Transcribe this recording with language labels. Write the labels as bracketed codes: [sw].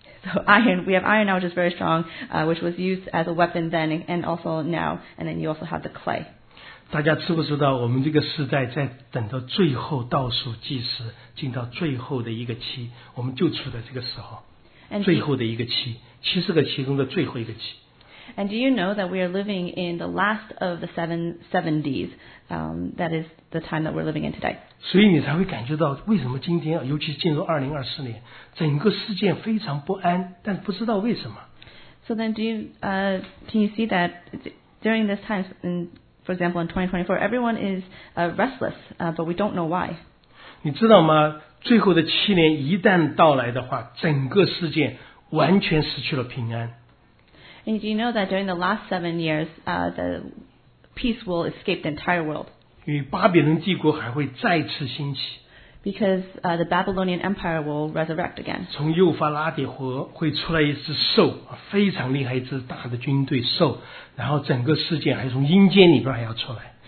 [en] So iron, we have iron now which is very strong, which was used as a weapon then and also now, and then you also have the clay. [zh] 大家知不知道我们这个时代在等到最后倒数计时进到最后的一个期，我们就处在这个时候，最后的一个期，七十个期中的最后一个期。 [en] And do you know that we are living in the last of the seventies? That is the time that we're living in today. [zh] 所以你才会感觉到为什么今天，尤其进入2024年，整个世界非常不安，但不知道为什么。 [en] So then, can you see that during this time, for example, in 2024, everyone is restless, but we don't know why. [zh] 你知道吗？最后的七年一旦到来的话，整个世界完全失去了平安。 [en] And do you know that during the last 7 years, the peace will escape the entire world? [zh] 与巴比伦帝国还会再次兴起。 [en] Because the Babylonian Empire will resurrect again. [zh] 从幼发拉底河会出来一只兽，非常厉害，一只大的军队兽，然后整个世界还从阴间里边还要出来。